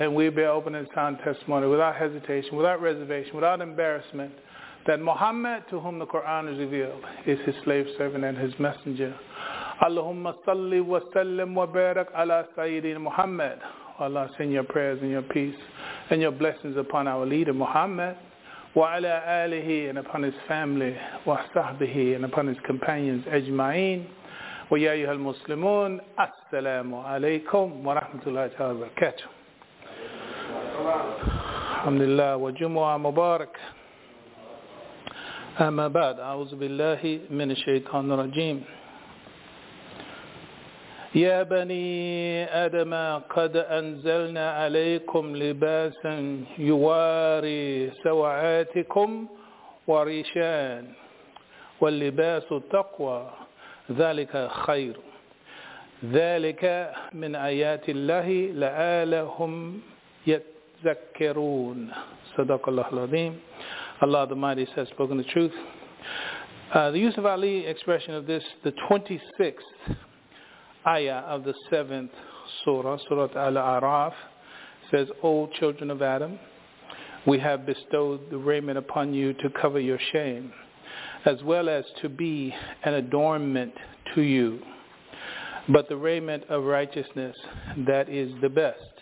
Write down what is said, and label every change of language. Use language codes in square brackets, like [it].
[en] And we bear open and sound testimony without hesitation, without reservation, without embarrassment, that Muhammad, to whom the Quran is revealed, is his slave servant and his messenger. [ar] Allahumma salli wa sallim wa barak ala sayyidina Muhammad. [en] Allah, send your prayers and your peace and your blessings upon our leader Muhammad. [ar] Wa ala alihi, [en] and upon his family. [ar] Wa sahbihi, [en] and upon his companions ajma'in. [ar] ويا أيها المسلمون السلام عليكم ورحمة الله تعالى وبركاته الحمد لله وجمعة مبارك أما بعد أعوذ بالله من الشيطان الرجيم يا بني آدم قد أنزلنا عليكم لباسا يواري سوعاتكم وريشا واللباس التقوى ذلك خير ذلك من آيات الله لعلهم يتذكرون صدق الله العظيم [en] Allah the Mighty has spoken the truth. The Yusuf Ali expression of this, the 26th ayah of the 7th surah, Surah Al-A'raf, says, O children of Adam, we have bestowed the raiment upon you to cover your shame, as well as to be an adornment to you, but the raiment of righteousness that is the best.